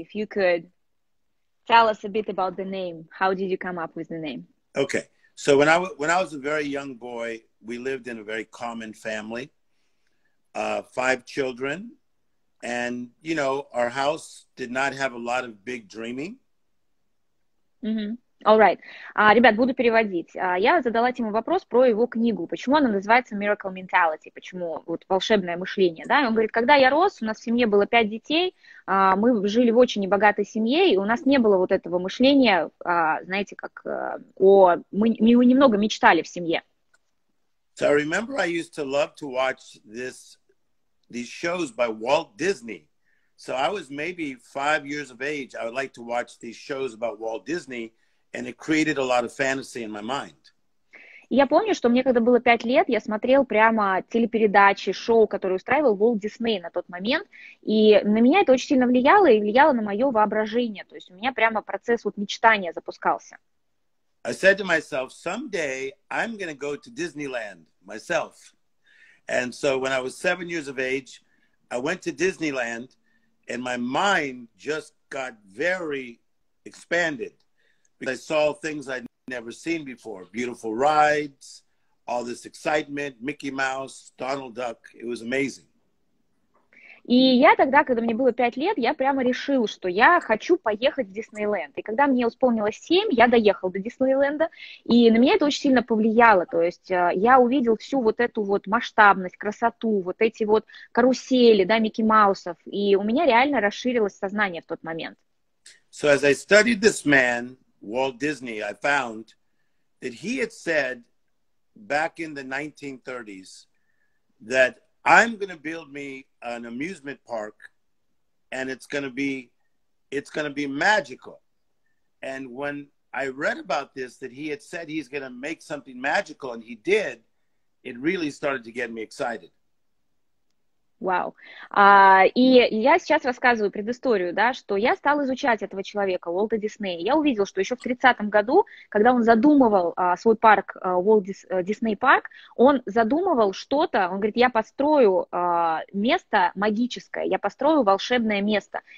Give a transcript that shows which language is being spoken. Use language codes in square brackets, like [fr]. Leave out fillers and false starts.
[en] If you could tell us a bit about the name, how did you come up with the name? Okay. So when I was a very young boy, we lived in a very common family. Five children, and our house did not have a lot of big dreaming. All right. [ru] Ребят, буду переводить. Я задала Тиму вопрос про его книгу. Почему она называется Miracle Mentality? Почему вот волшебное мышление? Да? И он говорит, когда я рос, у нас в семье было 5 детей, мы жили в очень небогатой семье, и у нас не было вот этого мышления, знаете, как мы немного мечтали в семье. [en] So I remember I used to love to watch these shows by Walt Disney. So I was maybe 5 years of age. I would like to watch these shows about Walt Disney, and it created a lot of fantasy in my mind. [ru] Я помню, что мне когда было 5 лет, я смотрел прямо телепередачи, шоу, которые устраивал Walt Disney на тот момент, и на меня это очень сильно влияло и влияло на мое воображение. То есть у меня прямо процесс вот мечтания запускался. [en] I said to myself, someday I'm going to go to Disneyland myself. And so when I was 7 years of age, I went to Disneyland and my mind just got very expanded because I saw things I'd never seen before. Beautiful rides, all this excitement, Mickey Mouse, Donald Duck. It was amazing. [ru] И я тогда, когда мне было 5 лет, я прямо решил, что я хочу поехать в Диснейленд. И когда мне исполнилось 7, я доехал до Диснейленда, и на меня это очень сильно повлияло. То есть я увидел всю вот эту вот масштабность, красоту, вот эти вот карусели, да, Микки Маусов, и у меня реально расширилось сознание в тот момент. [en] So as I studied this man, Walt Disney, I found that he had said back in the 1930s that I'm going to build me an amusement park and it's going to be magical. And when I read about this, that he had said he's going to make something magical and he did, it really started to get me excited. [ru] Вау. И я сейчас рассказываю предысторию, да, что я стала изучать этого человека, Уолта Диснея. Я увидел, что еще в 30-м году, когда он задумывал свой парк, Дисней парк, он задумывал что-то, он говорит, я построю место магическое, я построю волшебное место.